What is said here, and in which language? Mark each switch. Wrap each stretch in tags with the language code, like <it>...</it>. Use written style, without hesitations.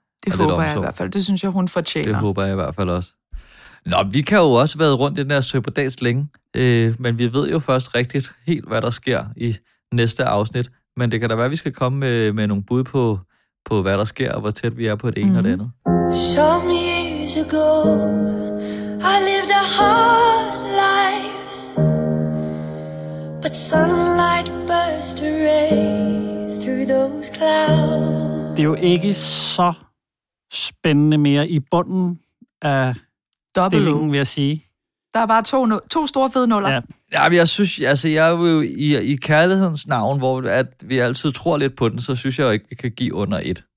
<da>Det håber jeg i hvert fald. Det synes jeg, hun fortjener. Det håber jeg i hvert fald også. Nå, vi kan jo også været rundt i den her søberdags længe, men vi ved jo først rigtigt helt, hvad der sker i næste afsnit. Men det kan da være, at vi skal komme med nogle bud på, hvad der sker, og hvor tæt vi er på det ene og det andet.</da> <en>Some years ago, I lived a hard life, but sunlight burst a ray through those clouds.</en> <da>Det er jo ikke så spændende mere i bunden af stillingen, vil jeg sige. Der er bare to store fede nuller. Ja. Ja, men jeg synes, altså jeg er jo i kærlighedens navn, hvor at vi altid tror lidt på den, så synes jeg jo ikke, vi kan give under 1.</da>